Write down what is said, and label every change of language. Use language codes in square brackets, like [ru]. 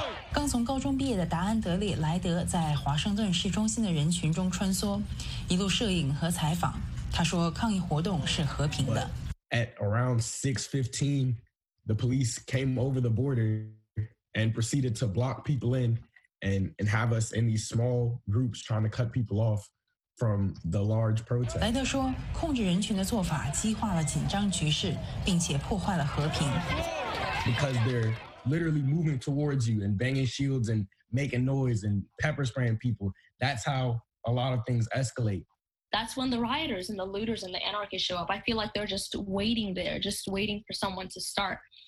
[zh] 刚从高中毕业的达安德里莱德在华盛顿市中心的人群中穿梭，一路摄影和采访。他说，抗议活动是和平的。 [en] At around 6:15, the police came over the border and proceeded to block people in and have us in these small groups trying to cut people off from the large protest. [zh] 莱德说，控制人群的做法激化了紧张局势，并且破坏了和平。 [en] Because they're literally moving towards you and banging shields and making noise and pepper spraying people. That's how a lot of things escalate. That's when the rioters and the looters and the anarchists show up. I feel like they're just waiting there, just waiting for someone to start.